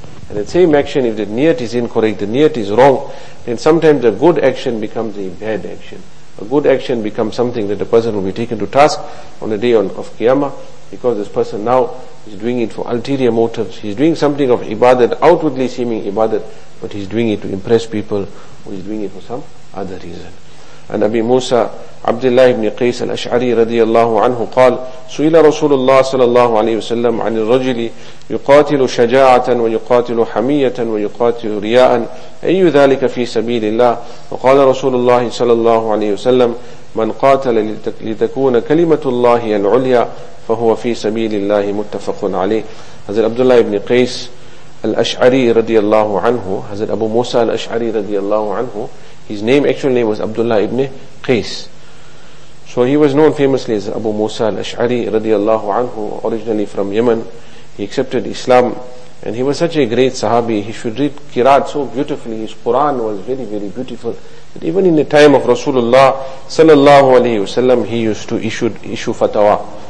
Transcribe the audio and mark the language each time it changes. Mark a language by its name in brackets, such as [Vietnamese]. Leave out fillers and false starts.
[English] And the same action, if the niyat is incorrect, the niyat is wrong, then sometimes a good action becomes a bad action. A good action becomes something that the person will be taken to task on the day of Qiyamah, because this person now is doing it for ulterior motives. He's doing something of ibadat, outwardly seeming ibadat, but he's doing it to impress people, or he's doing it for some other reason. [Arabic] And Abi Musa عبد الله بن قيس الأشعري رضي الله عنه قال سئل رسول الله صلى الله عليه وسلم عن الرجل يقاتل شجاعة ويقاتل حمية ويقاتل رياء أي ذلك في سبيل الله وقال رسول الله صلى الله عليه وسلم من قاتل لتكون كلمة الله العليا فهو في سبيل الله متفق عليه. حضرت عبد الله بن قيس الأشعري رضي الله عنه, حضرت أبو موسى الأشعري رضي الله عنه, [English] his name, actual name was [Arabic] عبد الله بن قيس. [English] So he was known famously as Abu Musa al-Ash'ari radiallahu anhu, originally from Yemen. He accepted Islam and he was such a great sahabi. He should read Qirat so beautifully. His Quran was very, very beautiful. But even in the time of Rasulullah sallallahu alayhi wa sallam, he used to issue fatawa.